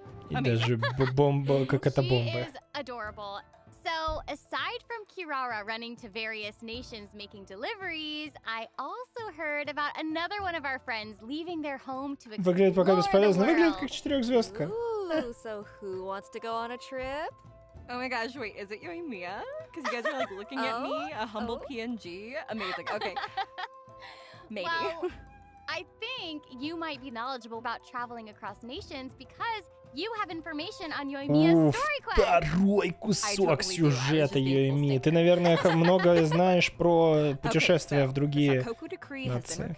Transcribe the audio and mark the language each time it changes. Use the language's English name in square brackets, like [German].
[Russian] И даже бомба, как эта бомба. [English] She is adorable. So, aside from Kirara running to various nations making deliveries, I also heard about another one of our friends leaving their home to explore the world. [Russian] Выглядит пока бесполезно, выглядит как четырехзвездка. [English] Ooh, so who wants to go on a trip? Oh my gosh, wait, is it you and Mia? Because you guys are like looking at me, a humble PNG. Amazing, okay. Maybe. Well, I think you might be knowledgeable about traveling across nations because you have information on Yoimiya's story quest. [Russian] Второй кусок сюжета Yoimiya. Ты, наверное, много знаешь про путешествия в другие нации.